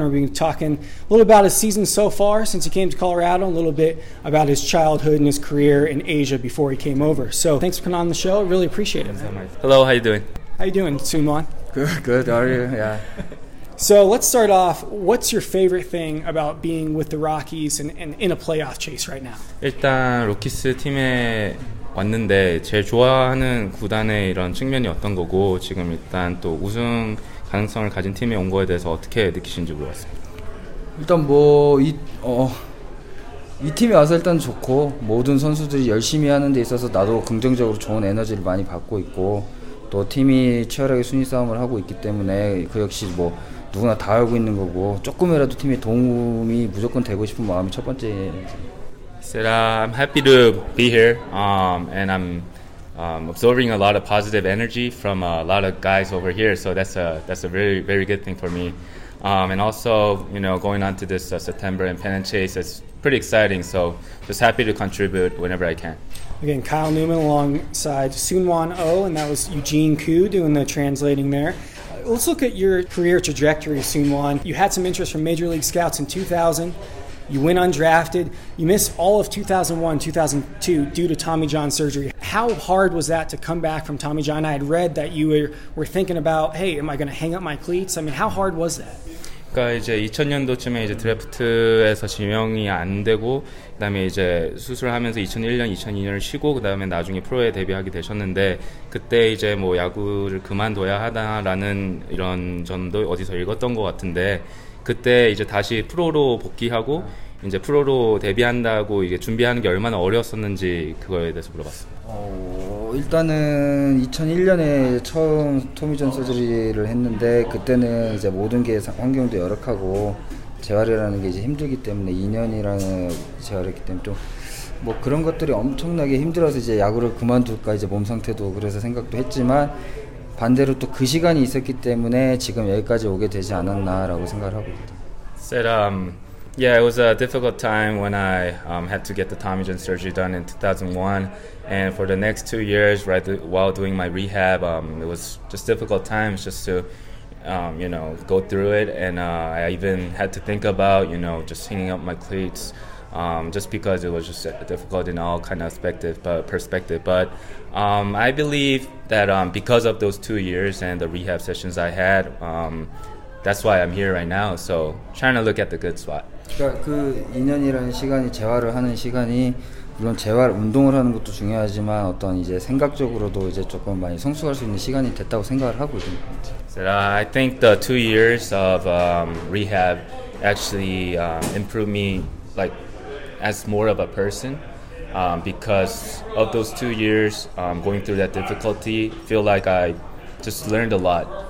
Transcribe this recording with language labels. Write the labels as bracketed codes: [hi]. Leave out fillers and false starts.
[en] We'll be talking a little about his season so far since he came to Colorado, a little bit about his childhood and his career in Asia before he came over. So thanks for coming on the show. Really appreciate it. Hello, how you doing? How you doing, Seungwon? Good, how are you? Yeah. So let's start off, what's your favorite thing about being with the Rockies and in a playoff chase right now? [ko] 일단 로키스 팀에 왔는데 제일 좋아하는 구단의 이런 측면이 어떤 거고 지금 일단 또 우승 가능성을 가진 팀에 온 거에 대해서 어떻게 느끼신지 물어봤습니다. 일단 뭐 이 팀에 와서 일단 좋고 모든 선수들이 열심히 하는 데 있어서 나도 긍정적으로 좋은 에너지를 많이 받고 있고 또 팀이 치열하게 순위 싸움을 하고 있기 때문에 그 역시 뭐 누구나 다 알고 있는 거고 조금이라도 팀에 도움이 무조건 되고 싶은 마음이 첫 번째. [en] So I'm happy to be here, and I'm absorbing a lot of positive energy from a lot of guys over here. So that's a very very good thing for me. And also, you know, going on to this September and pennant chase is pretty exciting. So just happy to contribute whenever I can. Again, Kyle Newman alongside Soonwon Oh, and that was Eugene Koo doing the translating there. Let's look at your career trajectory, Soonwon. You had some interest from Major League Scouts in 2000. You went undrafted. You missed all of 2001, 2002 due to Tommy John surgery. How hard was that to come back from Tommy John? I had read that you were thinking about, hey, am I going to hang up my cleats? I mean, how hard was that? [ko] 그러니까 이제 2000년도쯤에 이제 드래프트에서 지명이 안 되고 그다음에 이제 수술하면서 2001년, 2002년을 쉬고 그다음에 나중에 프로에 데뷔하게 되셨는데 그때 이제 뭐 야구를 그만둬야 하다라는 이런 점도 어디서 읽었던 것 같은데 그때 이제 다시 프로로 복귀하고 이제 프로로 데뷔한다고 이제 준비하는 게 얼마나 어려웠었는지 그거에 대해서 물어봤습니다. 일단은 2001년에 처음 토미존 서지리를 했는데 그때는 이제 모든 게 환경도 열악하고 재활이라는 게 이제 힘들기 때문에 2년이라는 재활했기 때문에 좀 뭐 그런 것들이 엄청나게 힘들어서 이제 야구를 그만둘까 이제 몸 상태도 그래서 생각도 했지만 반대로 또 그 시간이 있었기 때문에 지금 여기까지 오게 되지 않았나라고 생각을 하고 있습니다. [en] Yeah, it was a difficult time when I had to get the Tommy John surgery done in 2001. And for the next 2 years, right, while doing my rehab, it was just difficult times just to, you know, go through it. And I even had to think about, you know, just hanging up my cleats just because it was just difficult in all kind of perspective. But I believe that because of those 2 years and the rehab sessions I had, that's why I'm here right now. So trying to look at the good spot. [ko] 그러니까 그 2년이라는 시간이 재활을 하는 시간이 물론 재활 운동을 하는 것도 중요하지만 어떤 이제 생각적으로도 이제 조금 많이 성숙할 수 있는 시간이 됐다고 생각을 하고 있습니다. [en] I think the 2 years of rehab actually improved me like as more of a person because of those 2 years going through that difficulty feel like I just learned a lot.